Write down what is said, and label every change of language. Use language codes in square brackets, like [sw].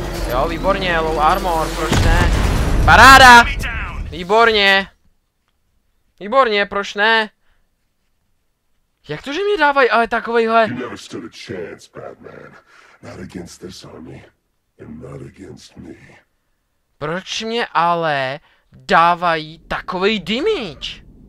[cs] Jo, výborně, low armor, proč ne? Paráda! Výborně! Výborně, proč ne? Jak to, že mi dávají ale takovejhle? [en] You never stood a chance, Batman. Not against this army. And not against me. [cs] Proč mě ale dávají takovej damage?